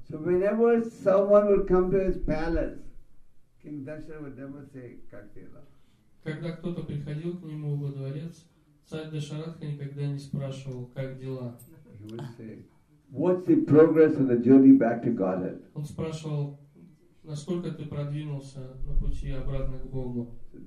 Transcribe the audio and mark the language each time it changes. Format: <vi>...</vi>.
<en>So whenever someone would come to his palace, King Dashrath would never say</en> <ru>Kaktela. Когда кто-то приходил к нему во дворец, царь Дашаратха никогда не спрашивал, как дела.</ru> <en>He would say, what's the progress of the journey back to Godhead?</en> <ru>Он спрашивал, насколько ты продвинулся на пути обратно к Богу.</ru>